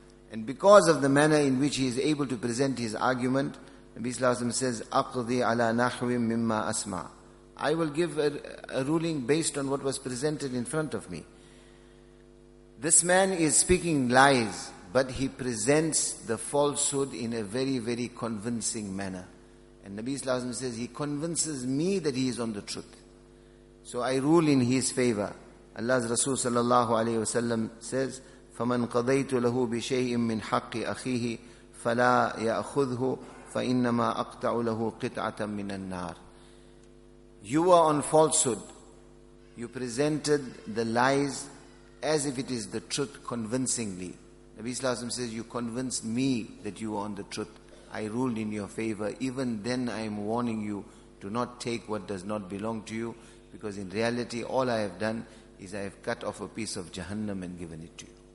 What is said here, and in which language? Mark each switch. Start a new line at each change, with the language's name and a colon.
English: And because of the manner in which he is able to present his argument, Nabi sallallahu alayhi wa sallam says,
Arabic: أَقْضِي عَلَى نَحْوِ مِمَّا أَسْمَعَ,
English: I will give a ruling based on what was presented in front of me. This man is speaking lies, but he presents the falsehood in a very, very convincing manner. And Nabi Sallallahu Alaihi Wasallam says, he convinces me that he is on the truth. So I rule in his favor. Allah's Rasul Sallallahu Alaihi Wasallam says,
Arabic: فَمَنْ قَضَيْتُ لَهُ بِشَيْءٍ مِّنْ حَقِّ أَخِيهِ فَلَا يَأْخُذْهُ فَإِنَّمَا أَقْطَعُ لَهُ قِطْعَةً مِّنَ النَّارِ.
English: You were on falsehood. You presented the lies as if it is the truth convincingly. Nabi Sallallahu Alaihi Wasallam says, you convinced me that you are on the truth. I ruled in your favor. Even then I am warning you, do not take what does not belong to you, because in reality all I have done is I have cut off a piece of Jahannam and given it to you.